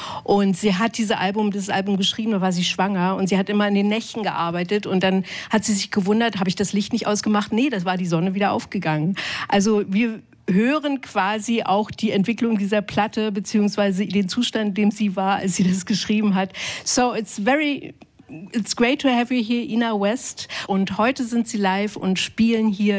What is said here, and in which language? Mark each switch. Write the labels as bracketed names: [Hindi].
[German] Und sie hat dieses Album geschrieben, da war sie schwanger und sie hat immer in den Nächten gearbeitet und dann hat sie sich gewundert, habe ich das Licht nicht ausgemacht? Nee, das war die Sonne wieder aufgegangen. Also wir hören quasi auch die Entwicklung dieser Platte beziehungsweise den Zustand, in dem sie war, als sie das geschrieben hat. [English] So it's great to have you here, Ina West. [German] Und heute sind sie live und spielen hier.